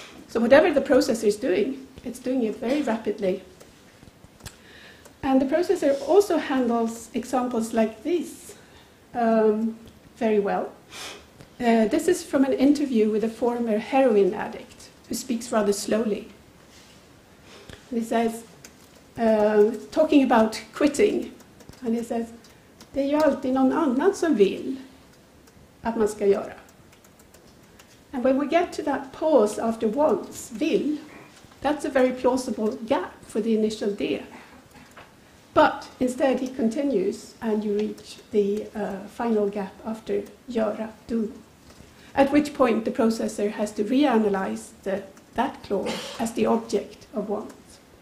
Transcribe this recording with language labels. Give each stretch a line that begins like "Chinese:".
English: So whatever the processor is doing, it's doing it very rapidly. And the processor also handles examples like this very well. This is from an interview with a former heroin addict who speaks rather slowly. And he says, talking about quitting, and he says,
Swedish: det är ju alltid någon annan som vill att man ska göra.
English: And when we get to that pause after wants, vill, that's a very plausible gap for the initial D. But instead he continues and you reach the final gap after göra, do. At which point the processor has to reanalyze that clause as the object of wants.